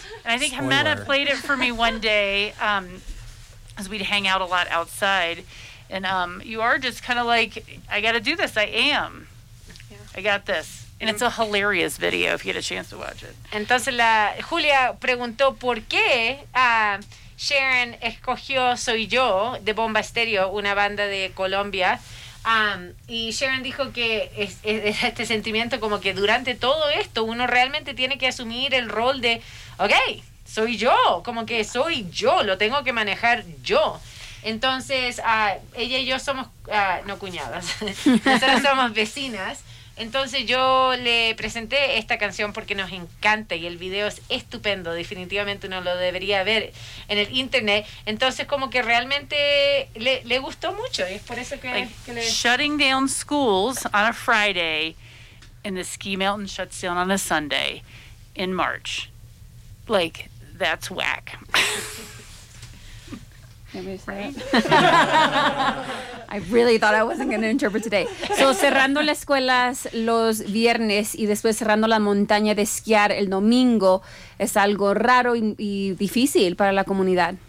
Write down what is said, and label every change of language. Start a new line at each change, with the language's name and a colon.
English: And I think Jimena played it for me one day as we'd hang out a lot outside. And you are just kind of like, I got to do this. I am. Yeah. I got this. And it's a hilarious video if you get a chance to watch it.
Spanish: Entonces, Julia preguntó por qué... Sharon escogió Soy Yo de Bomba Estéreo, una banda de Colombia, y Sharon dijo que es este sentimiento como que durante todo esto uno realmente tiene que asumir el rol de okay, soy yo, como que soy yo, lo tengo que manejar yo. Entonces ella y yo somos no cuñadas, nosotros somos vecinas. Entonces yo le presenté esta canción porque nos encanta y el video es estupendo. Definitivamente uno lo debería ver en el internet. Entonces como que realmente le gustó mucho. Y es por eso que
English: shutting down schools on a Friday and the ski mountain shuts down on a Sunday in March. Like, that's whack. I really thought I wasn't going to interpret today.
Spanish: So, cerrando las escuelas los viernes y después cerrando la montaña de esquiar el domingo es algo raro y difícil para la comunidad.